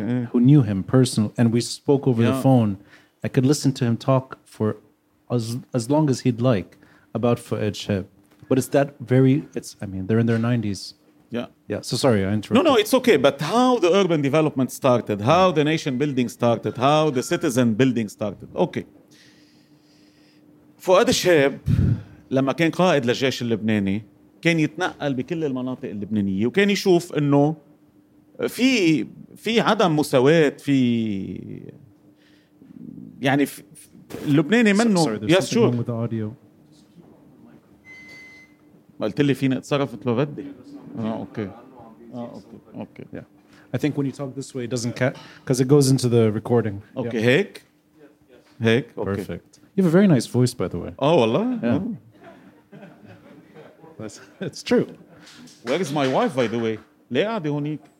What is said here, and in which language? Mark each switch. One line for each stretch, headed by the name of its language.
English: Who knew him personally, and we spoke over the phone. I could listen to him talk for as long as he'd like about Fouad Chehab. But it's that very, it's, I mean, they're in their 90s. Yeah. So sorry, I interrupted. No, it's okay. But how the urban development started, how the nation building started, how the citizen building started. Okay.
Arabic: Fouad Chehab, لما كان قائد للجيش اللبناني, كان يتنقل بكل المناطق اللبنانية, وكان يشوف انه في عدم مساواة, في يعني اللبناني منه يس شو قلت لي فينا اتصرف مثل ما بدي. اوكي
English: I think when you talk this way, it doesn't catch, because it goes into the recording. Okay, yeah. Hake? Yes. Hake? Okay. Perfect. You have a very nice voice, by the way. Oh, Allah? Yeah. Oh. It's true. Where is my wife, by the way? Lea de Honik.